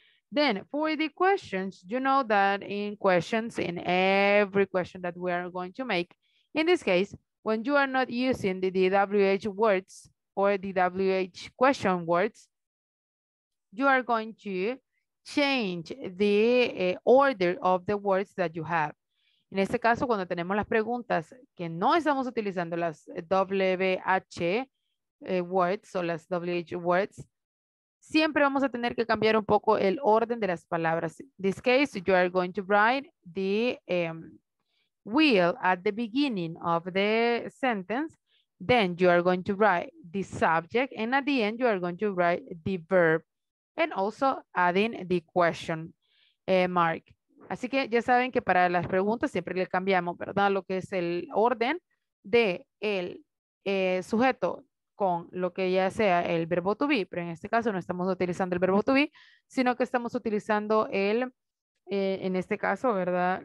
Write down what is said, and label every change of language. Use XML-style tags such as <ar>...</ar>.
<en>Then for the questions, you know that in questions, in every question that we are going to make, in this case, when you are not using the WH words or the WH question words, you are going to change the order of the words that you have.</en> <es>En este caso, cuando tenemos las preguntas que no estamos utilizando las WH words o las WH words, siempre vamos a tener que cambiar un poco el orden de las palabras.</es> <en>In this case, you are going to write the will at the beginning of the sentence. Then you are going to write the subject. And at the end, you are going to write the verb. And also adding the question mark.</en> <es>Así que ya saben que para las preguntas siempre le cambiamos, ¿verdad? Lo que es el orden de el sujeto con lo que ya sea el verbo to be, pero en este caso no estamos utilizando el verbo to be, sino que estamos utilizando el, en este caso, ¿verdad?</es>